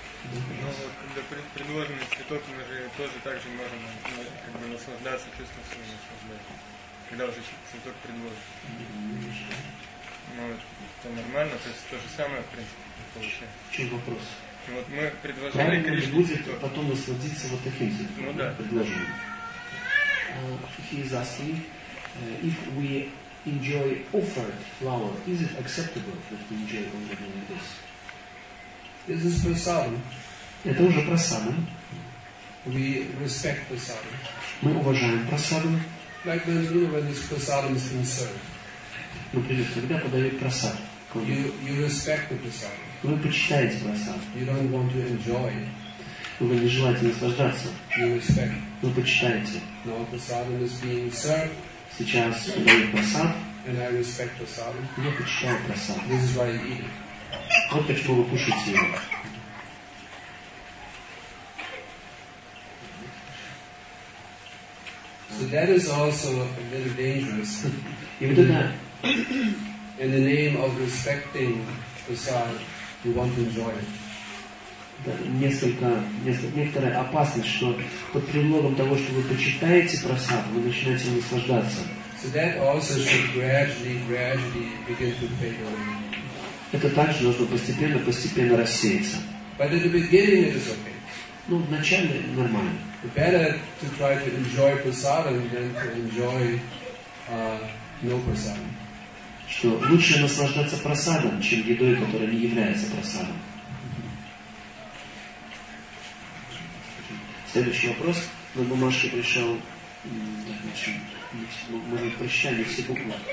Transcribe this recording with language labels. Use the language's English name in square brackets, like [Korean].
[Russian] Когда предложенный цветок, мы же тоже так же можем как бы наслаждаться чувством своего наслаждения. Когда уже цветок предложен. Ну, это нормально, то есть то же самое, в принципе, получается. В чем вопрос? Вот мы предложили Кришне будет цветок. Потом насладиться вот таким цветом. Ну да. Предложим. [English] He is asking, if we enjoy offered flower, is it acceptable that we enjoy only like this? This is prasadam. [Russian] Это уже прасадам. [English] We respect prasadam. [Russian] Мы уважаем прасадам. [English] Like when, you know, when this prasadam is being served. [Russian] Например, когда подают прасад. [English] You respect the prasadam. [Russian] Вы почитаете прасад. [English] You don't want to enjoy. [Russian] Вы не желаете наслаждаться. [English] You respect. [Russian] Вы почитаете. [English] No, prasadam is being served. [Russian] Сейчас подают прасад. [English] And I respect prasadam. [Russian] Я почитаю прасад. [English] This is why I eat. [Russian] Вот почему вы кушаете его. [English] So that is also a little dangerous. [Russian] И вот это. [English] In the name of respecting prasad, you want to enjoy it. [Russian] Да, некоторая опасность, что под предлогом того, что вы почитаете прасад, вы начинаете наслаждаться. [English] So that also should gradually begin to fade away. [Russian] Это также должно постепенно рассеяться. [English] But at the beginning it is okay. [Russian] Ну, вначале нормально. [English] The better to try to enjoy prasadam than to enjoy no prasadam. [Russian] Что лучше наслаждаться прасадом, чем едой, которая не является прасадом. Следующий вопрос. На бумажке пришел. Мы не прощали все буквы.